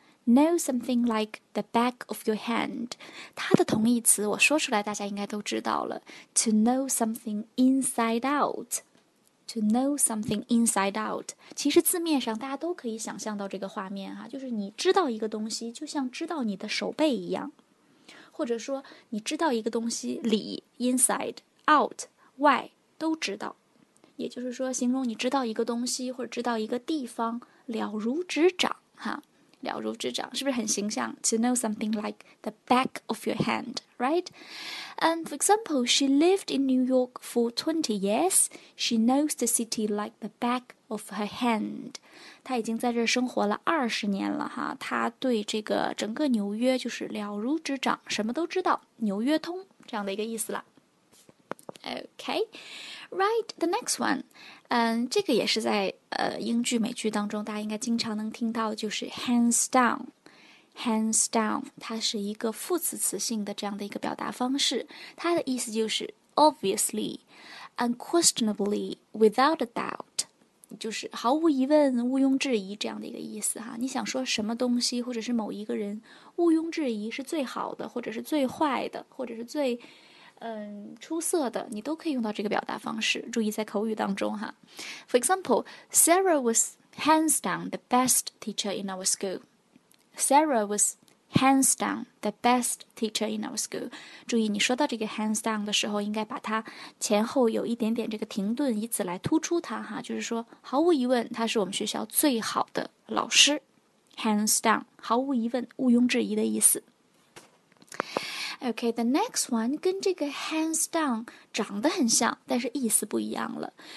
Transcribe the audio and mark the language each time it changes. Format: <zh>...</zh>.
<en>Know something like the back of your hand.</en> <zh>它的同义词我说出来大家应该都知道了。</zh> <en>To know something inside out. To know something inside out.</en> <zh>其实字面上大家都可以想象到这个画面哈，就是你知道一个东西就像知道你的手背一样。或者说你知道一个东西里</zh> <en>inside, out,</en> <zh>外都知道。也就是说形容你知道一个东西或者知道一个地方了如指掌哈。了如指掌，是不是很形象</zh> <en>？To know something like the back of your hand, right? And for example, she lived in New York for 20 years. She knows the city like the back of her hand.</en> <zh>她已经在这生活了20年了哈，她对这个整个纽约就是了如指掌，什么都知道，纽约通这样的一个意思了。</zh> <en>Okay, right, the next one.</en> <zh>这个也是在英剧美剧当中大家应该经常能听到，就是 hands down. Hands down, 它是一个副词词性的这样的一个表达方式。它的意思就是</zh> <en>obviously, unquestionably, without a doubt.</en> <zh>就是毫无疑问，毋庸置疑这样的一个意思哈。你想说什么东西或者是某一个人，毋庸置疑是最好的，或者是最坏的，或者是最出色的，你都可以用到这个表达方式，注意在口语当中哈。</zh> <en>For example, Sarah was hands down the best teacher in our school. Sarah was hands down the best teacher in our school.</en> <zh>注意你说到这个 hands down 的时候，应该把它前后有一点点这个停顿，以此来突出它哈，就是说毫无疑问他是我们学校最好的老师。 Hands down, 毫无疑问，毋庸置疑的意思。</zh> <en>Okay, the next one</en> <zh>跟这个 hands down 长得很像，但是意思不一样了。</zh>